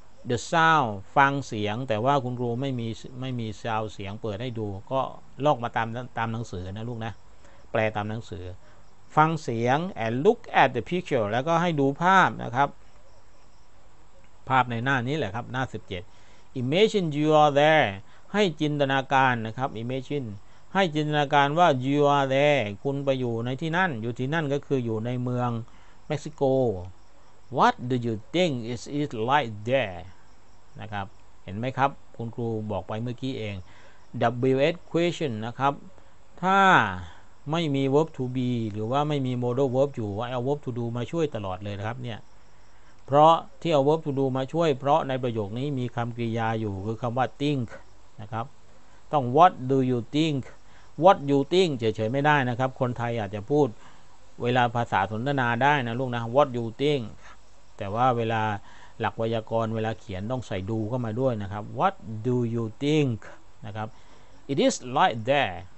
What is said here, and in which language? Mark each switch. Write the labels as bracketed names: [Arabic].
[English] the sound [Thai] ฟังเสียงแต่ว่าคุณครูไม่มี sound เสียงเปิดให้ดูก็ลอกมาตามหนังสือนะลูกนะแปลตามหนังสือฟังเสียง [English] and look at the picture [Thai] แล้วก็ให้ดูภาพนะครับ ภาพในหน้านี้แหละครับหน้า17 [English] imagine you are there [Thai] ให้จินตนาการนะครับ imagineให้จินตนาการว่า [English] you are there [Thai] คุณไปอยู่ในที่นั่นอยู่ที่นั่นก็คืออยู่ในเมืองเม็กซิโก [English] What do you think is it like there? [Thai] นะครับเห็นไหมครับคุณครูบอกไปเมื่อกี้เอง WH question นะครับถ้าไม่มี verb to be หรือว่าไม่มี modal verb อยู่เอา verb to do มาช่วยตลอดเลยนะครับเนี่ย เพราะที่เอา verb to do มาช่วยเพราะในประโยคนี้มีคำกริยาอยู่คือคำว่า think นะครับต้อง [English] what do you think what you think [Thai] เฉยๆไม่ได้นะครับคนไทยอาจจะพูดเวลาภาษาสนทนาได้นะลูกนะ [English] what you think [Thai] แต่ว่าเวลาหลักไวยากรณ์เวลาเขียนต้องใส่ do เข้ามาด้วยนะครับ [English] what do you think [Thai] นะครับ [English] it is like there